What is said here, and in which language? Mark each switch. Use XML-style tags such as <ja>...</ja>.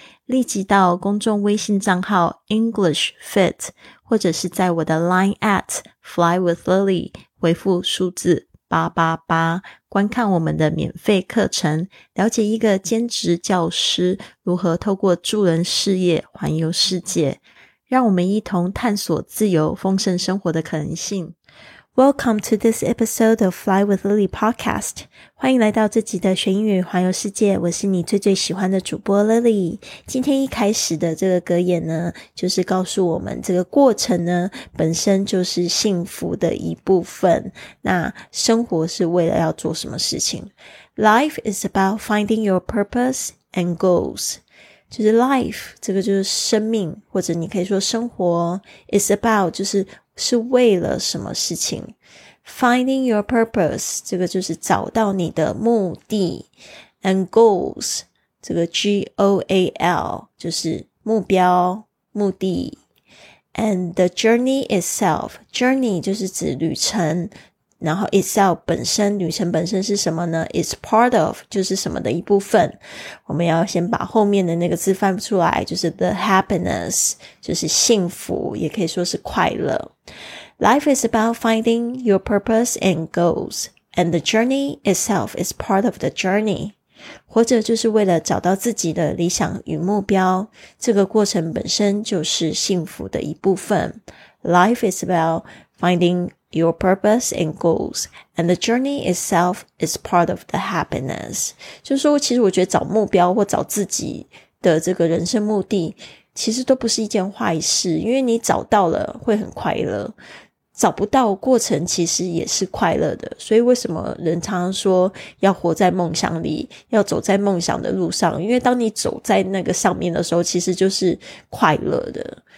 <zh>立即到公众微信账号 English Fit 或者是在我的 Line at Fly with Lily 回复数字888，观看我们的免费课程，了解一个兼职教师如何透过助人事业环游世界，让我们一同探索自由丰盛生活的可能性。</zh> <en>Welcome to this episode of Fly with Lily podcast.</en> <zh>欢迎来到这集的学英语环游世界，我是你最最喜欢的主播 Lily。今天一开始的这个格言呢，就是告诉我们这个过程呢本身就是幸福的一部分。那生活是为了要做什么事情？</zh> <en>Life is about finding your purpose and goals.</en> <zh>就是 life 这个就是生命，或者你可以说生活。</zh> <en>is about</en> <zh>就是是为了什么事情。</zh> <en>Finding your purpose</en> <zh>这个就是找到你的目的。</zh> <en>And goals</en> <zh>这个 G-O-A-L 就是目标目的。</zh> <en>And the journey itself，</en> <zh>journey 就是指旅程，然后 itself 本身，旅程本身是什么呢？</zh> <en>It's part of</en> <zh>就是什么的一部分。我们要先把后面的那个字翻出来，就是</zh> <en>the happiness</en> <zh>就是幸福，也可以说是快乐。</zh> <en>Life is about finding your purpose and goals, and the journey itself is part of the journey.</en> <zh>活着就是为了找到自己的理想与目标，这个过程本身就是幸福的一部分。</zh> <en>Life is about findingyour purpose and goals, and the journey itself is part of the happiness.</en> <zh>就是说其实我觉得找目标或找自己的这个人生目的其实都不是一件坏事，因为你找到了会很快乐，找不到过程其实也是快乐的。所以为什么人常常说要活在梦想里，要走在梦想的路上，因为当你走在那个上面的时候其实就是快乐的。</zh>